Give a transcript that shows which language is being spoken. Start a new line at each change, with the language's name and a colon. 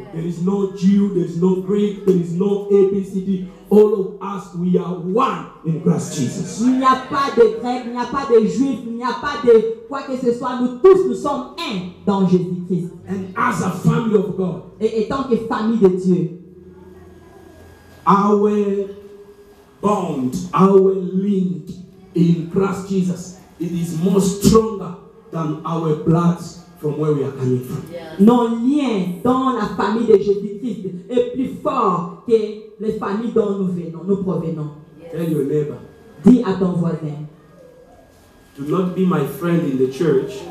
English: there is no Jew, there is no Greek, there is no ABCD. All of us, we are one in Christ Jesus.
French: Il n'y a pas de grec, il n'y a pas de juif, il n'y a pas de quoi que ce soit. Nous tous, nous sommes un dans Jésus Christ.
English: And as a family of God.
French: Et étant que famille de Dieu.
English: Our bond, our link in Christ Jesus, it is more stronger than our blood from where we are coming from. Yeah.
French: Nos liens dans la famille de Jésus-Christ est plus fort que les familles dont nous venons, nous provenons.
English: Yeah. Tell your neighbor.
French: Dis à ton voisin.
English: Do not be my friend in the church.